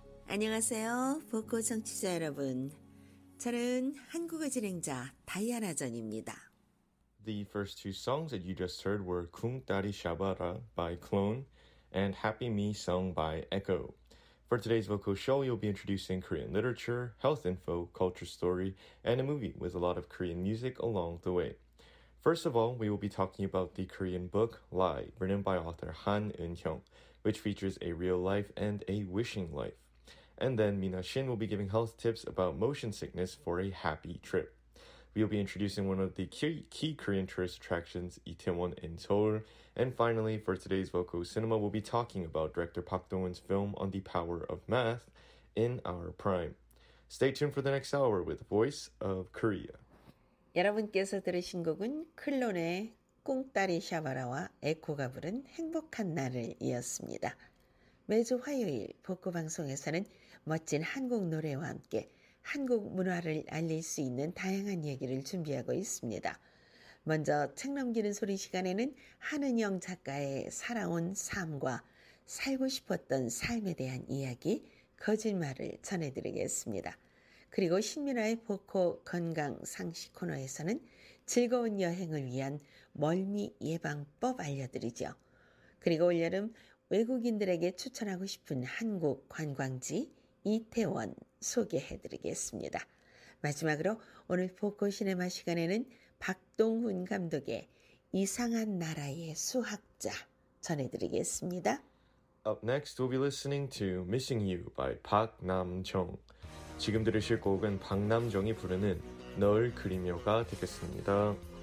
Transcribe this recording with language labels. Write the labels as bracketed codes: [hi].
[ko] 안녕하세요, 보코 청취자 여러분. 저는 한국어 진행자 다이아나 전입니다. [en] The first two songs that you just heard were "Kung Dari Shabara" by Clone and "Happy Me" sung by Echo. For today's vocal show, you'll be introducing Korean literature, health info, culture story, and a movie with a lot of Korean music along the way. First of all, we will be talking about the Korean book Lie, written by author Han Eun-hyung, which features a real life and a wishing life. And then Mina Shin will be giving health tips about motion sickness for a happy trip. We will be introducing one of the key Korean tourist attractions, Itaewon in Seoul. And finally, for today's Voco Cinema, we'll be talking about director Park Dong-hoon's film on the power of math in our prime. Stay tuned for the next hour with Voice of Korea. [ko] 여러분께서 들으신 곡은 클론의 꽁따리 샤바라와 에코가 부른 행복한 날을 이었습니다. 매주 화요일 복고 방송에서는 멋진 한국 노래와 함께 한국 문화를 알릴 수 있는 다양한 얘기를 준비하고 있습니다. 먼저 책 넘기는 소리 시간에는 한은영 작가의 살아온 삶과 살고 싶었던 삶에 대한 이야기, 거짓말을 전해드리겠습니다. 그리고 신민아의 보코 건강 상식 코너에서는 즐거운 여행을 위한 멀미 예방법 알려드리죠. 그리고 올여름 외국인들에게 추천하고 싶은 한국 관광지 이태원 소개해드리겠습니다. 마지막으로 오늘 복고시네마 시간에는 박동훈 감독의 이상한 나라의 수학자 전해드리겠습니다. [en] Up next, we'll be listening to Missing You by 박남정. [ko] 지금 들으실 곡은 박남정이 부르는 널 그리며가 되겠습니다.